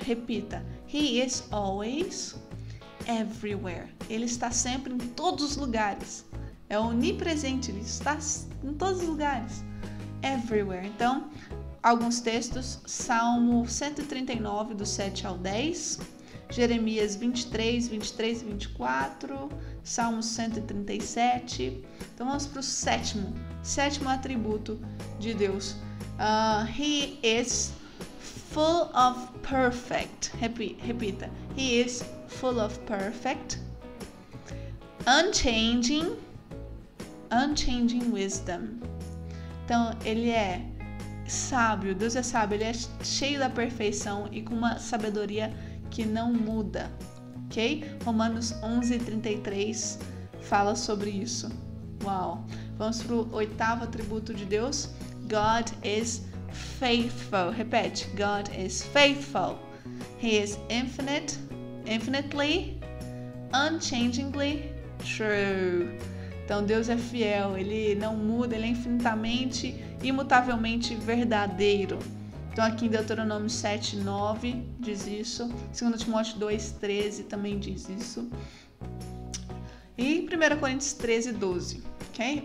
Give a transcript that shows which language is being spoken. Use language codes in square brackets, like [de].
[pt] Repita: [en] He is always everywhere. [pt] Ele está sempre em todos os lugares, é onipresente, ele está em todos os lugares, everywhere. Então, alguns textos, Salmo 139, do 7 ao 10. Jeremias 23, 23 e 24, Salmos 137. Então vamos para o sétimo atributo de Deus. [en] He is full of perfect. [pt] Repita. [en] He is full of perfect. Unchanging wisdom. [pt] Então ele é sábio, Deus é sábio, ele é cheio da perfeição e com uma sabedoria que não muda, ok? Romanos 11:33 fala sobre isso. Uau! Vamos para o oitavo atributo de Deus. [en] God is faithful. [pt] Repete. [en] God is faithful. He is infinite, infinitely, unchangingly true. [pt] Então Deus é fiel, ele não muda, ele é infinitamente, imutavelmente verdadeiro. Então, aqui em Deuteronômio 7, 9 diz isso. 2 Timóteo 2, 13 também diz isso. E 1 Coríntios 13, 12, ok? Okay?